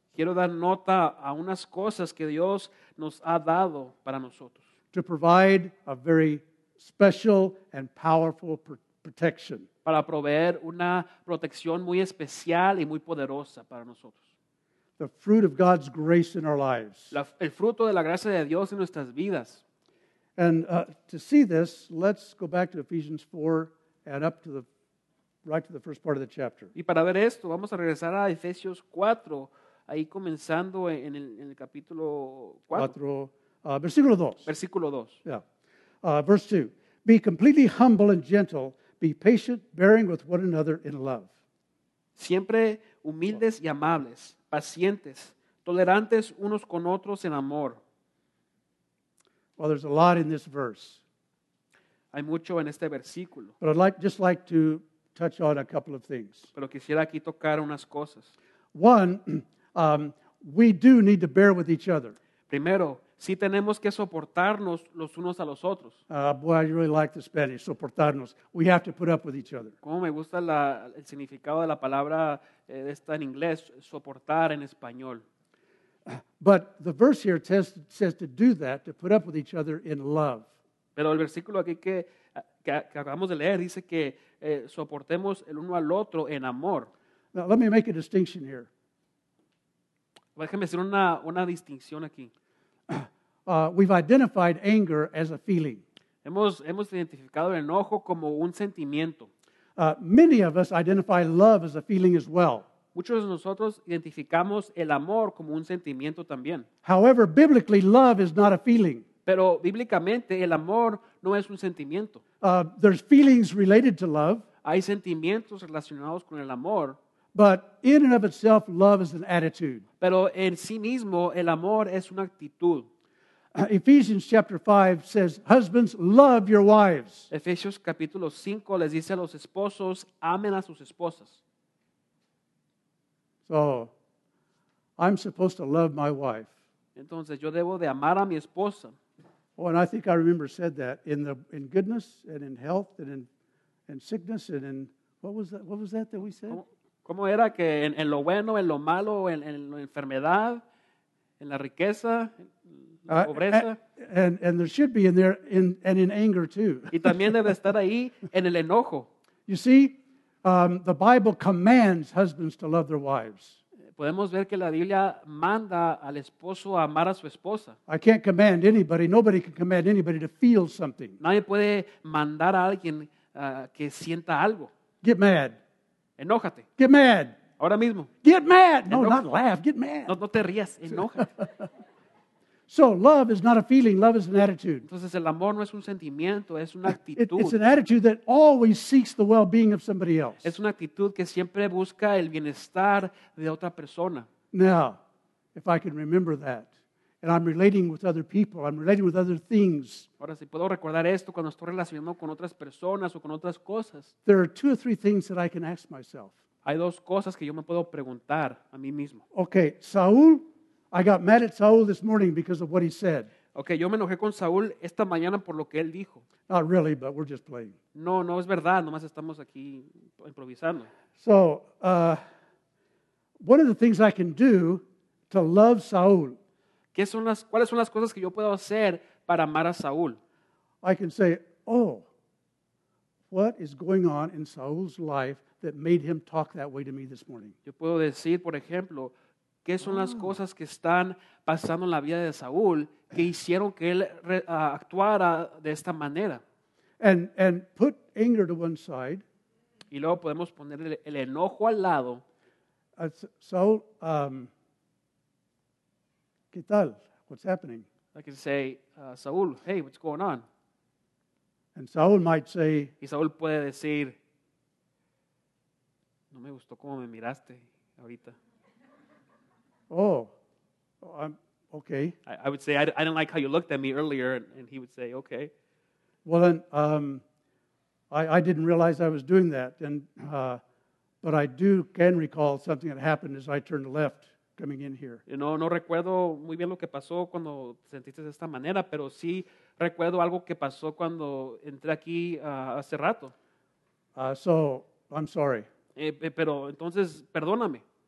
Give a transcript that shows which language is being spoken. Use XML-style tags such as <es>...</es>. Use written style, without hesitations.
<es>Quiero dar nota a unas cosas que Dios nos ha dado para nosotros.</es> <en>To provide a very special and powerful protection.</en> <es>Para proveer una protección muy especial y muy poderosa para nosotros.</es> <en>The fruit of God's grace in our lives.</en> <es>El fruto de la gracia de Dios en nuestras vidas.</es> <en>And to see this, let's go back to Ephesians 4 and up to the right to the first part of the chapter.</en> <es>Y para ver esto, vamos a regresar a Efesios 4, ahí comenzando en el capítulo 4. Versículo 2. Versículo 2.</es> <en>Yeah. Verse 2. Be completely humble and gentle. Be patient, bearing with one another in love.</en> <es>Siempre humildes y amables, pacientes, tolerantes unos con otros en amor.</es> <en>Well, there's a lot in this verse.</en> <es>Hay mucho en este versículo.</es> <en>But I'd like, just like to touch on a couple of things.</en> <es>Pero quisiera aquí tocar unas cosas.</es> <en>One, we do need to bear with each other.</en> <es>Primero, sí tenemos que soportarnos los unos a los otros.</es> <en>Boy, I really like the Spanish, soportarnos. We have to put up with each other.</en> <es>Como me gusta la, el significado de la palabra esta en inglés, soportar en español.</es> <en>But the verse here says to do that, to put up with each other in love.</en> <es>Pero el versículo aquí que acabamos de leer dice que soportemos el uno al otro en amor.</es> <en>Now, let me make a distinction here.</en> <es>Déjeme hacer una distinción aquí.</es> <en>We've identified anger as a feeling.</en> <es>Hemos identificado el enojo como un sentimiento.</es> <en>Many of us identify love as a feeling as well.</en> <es>Muchos de nosotros identificamos el amor como un sentimiento también.</es> <en>However, biblically, love is not a feeling.</en> <es>Pero bíblicamente el amor no es un sentimiento.</es> <en>There's feelings related to love.</en> <es>Hay sentimientos relacionados con el amor.</es> <en>But in and of itself, love is an attitude.</en> <es>Pero en sí mismo el amor es una actitud.</es> <en>Ephesians chapter 5 says, "Husbands, love your wives."</en> <es>Efesios capítulo 5 les dice a los esposos, amen a sus esposas.</es> <en>So, I'm supposed to love my wife.</en> <es>Entonces yo debo de amar a mi esposa.</es> <en>Oh, and I think I remember said that in goodness and in health and in sickness and in what was that we said?</en> <es>¿Cómo era que en lo bueno, en lo malo, en la enfermedad, en la riqueza, en la pobreza?</es> <en>And there should be in there in anger too.</en> <es>Y también debe estar ahí en el enojo.</es> <en>You see, the Bible commands husbands to love their wives.</en> <es>Podemos ver que la Biblia manda al esposo a amar a su esposa.</es> <en>I can't command anybody. Nobody can command anybody to feel something.</en> <es>Nadie puede mandar a alguien que sienta algo.</es> <en>Get mad.</en> <es>Enójate.</es> <en>Get mad.</en> <es>Ahora mismo.</es> <en>Get mad. No, not laugh. Get mad.</en> <es>No te rías. Enoja.</es> <en>So love is not a feeling. Love is an attitude.</en> <es>Entonces el amor no es un sentimiento. Es una actitud.</es> <en>It's an attitude that always seeks the well-being of somebody else.</en> <es>Es una actitud que siempre busca el bienestar de otra persona.</es> <en>Now, if I can remember that, and I'm relating with other people, I'm relating with other things.</en> <es>Ahora si puedo recordar esto cuando estoy relacionado con otras personas o con otras cosas.</es> <en>There are two or three things that I can ask myself.</en> <es>Hay dos cosas que yo me puedo preguntar a mí mismo.</es> <en>Okay, Saúl. I got mad at Saul this morning because of what he said.</en> <es>Okay, yo me enojé con Saúl esta mañana por lo que él dijo.</es> <en>Not really, but we're just playing.</en> <es>No, no es verdad, nomás estamos aquí improvisando.</es> <en>So, one of the things I can do to love Saul.</en> <es>¿Cuáles son las cosas que yo puedo hacer para amar a Saúl?</es> <en>I can say, oh, what is going on in Saul's life that made him talk that way to me this morning?</en> <es>Yo puedo decir, por ejemplo, ¿qué son las cosas que están pasando en la vida de Saúl que hicieron que él actuara de esta manera?</es> <en>And put anger to one side.</en> <es>Y luego podemos poner el enojo al lado. Saúl, ¿qué tal?</es> <en>What's happening? I can say, Saúl, hey, what's going on? And Saúl might say,</en> <es>y Saúl puede decir, no me gustó cómo me miraste ahorita.</es> <en>Oh, I'm okay. I would say I didn't like how you looked at me earlier, and he would say, "Okay." Well, then I didn't realize I was doing that, and but I do can recall something that happened as I turned left coming in here.</en> <es>You know, no recuerdo muy bien lo que pasó cuando sentiste de esta manera, pero sí recuerdo algo que pasó cuando entré aquí hace rato.</es> <en>So I'm sorry.</en> <es>Pero entonces perdóname.</es>